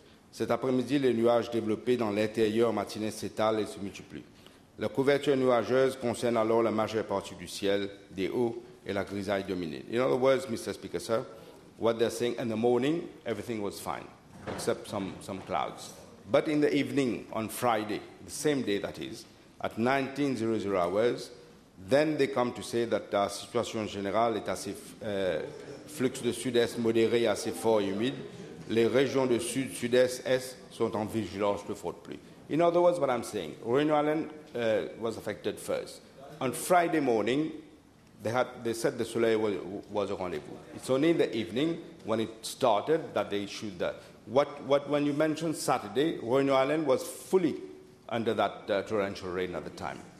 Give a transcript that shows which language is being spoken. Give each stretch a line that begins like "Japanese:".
French: Cet après-midi, les nuages développés dans l'intérieur matinée s'étalent et se multiplient. La couverture nuageuse concerne alors la majeure partie du ciel, des hauts, et la grisaille dominée.
English: In other words, Mr. Speaker, sir, what they're saying, in the morning, everything was fine, except some clouds. But in the evening, on Friday, the same day that is, at 19:00 hours, then they come to say that our
French: situation générale est assez flux de sud-est modéré, assez fort et humide. Les régions de sud, sud-est, est sont en vigilance de forte pluie.
English: In other words, what I'm saying, Réunion Island was affected first. On Friday morning, They said the soleil was a rendezvous. It's only in the evening when it started that they issued that. What when you mentioned Saturday, Réunion Island was fully under that torrential rain at the time.